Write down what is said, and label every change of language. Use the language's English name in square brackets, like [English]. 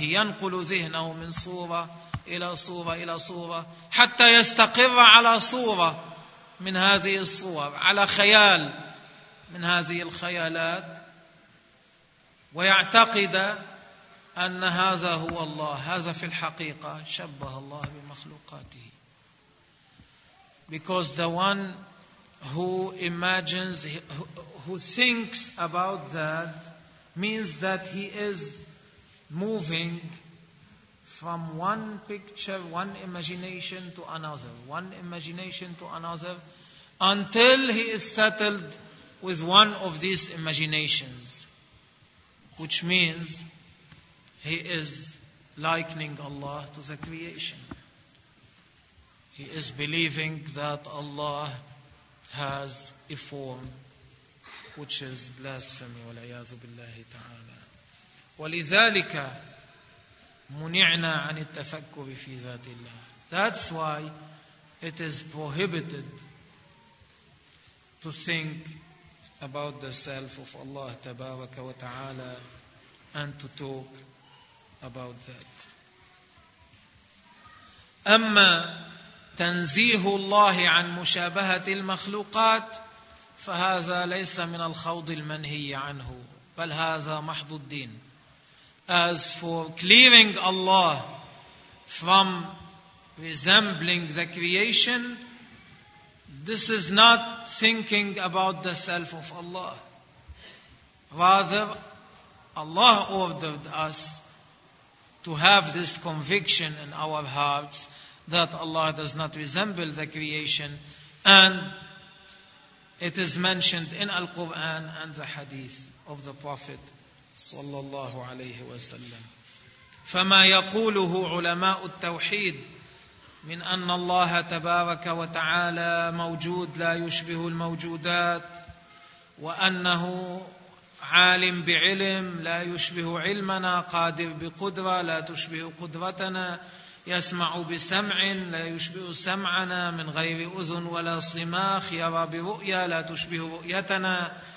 [Arabic] ينقل ذهنه من صورة إلى صورة إلى صورة حتى يستقر على صورة من هذه الصور، على خيال من هذه الخيالات، ويعتقد أن هذا هو الله. هذا في الحقيقة شبه الله بمخلوقاته. [English] Because the one who imagines, who thinks about that, means that he is moving from one picture, one imagination to another, one imagination to another, until he is settled with one of these imaginations, which means he is likening Allah to the creation. He is believing that Allah has a form which is blasphemy. [Arabic] وَلَعْيَاذُ بِاللَّهِ تَعَالَى وَلِذَلِكَ مُنِعْنَا عَنِ التَّفَكُّرِ فِي ذَاتِ اللَّهِ. [English] That's why it is prohibited to think about the self of Allah tabaraka wa ta'ala and to talk about that. [Arabic] أما تنزيه الله عن مشابهة المخلوقات فهذا ليس من الخوض المنهي عنه بل هذا محض الدين. [English] as for clearing Allah from resembling the creation, this is not thinking about the self of Allah. Rather, Allah ordered us to have this conviction in our hearts that Allah does not resemble the creation, and it is mentioned in Al-Quran and the Hadith of the Prophet sallallahu alayhi wa sallam. [Arabic] فما يقوله علماء التوحيد من أن الله تبارك وتعالى موجود لا يشبه الموجودات وأنه عالم بعلم لا يشبه علمنا قادر بقدرة لا تشبه قدرتنا يسمع بسمع لا يشبه سمعنا من غير أذن ولا صماخ يرى برؤيا لا تشبه رؤيتنا